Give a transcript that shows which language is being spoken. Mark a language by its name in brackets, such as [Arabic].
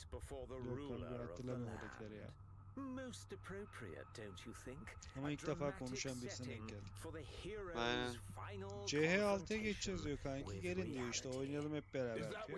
[Turkish] hatırlamıyorum oradakileri ya. [English] Most appropriate, don't you think? [Turkish] Ama ilk defa konuşan birisine denk geldim. Aynen. CH6'ya geçeceğiz diyor kanki. Gelin diyor işte, oynayalım hep beraber diyor.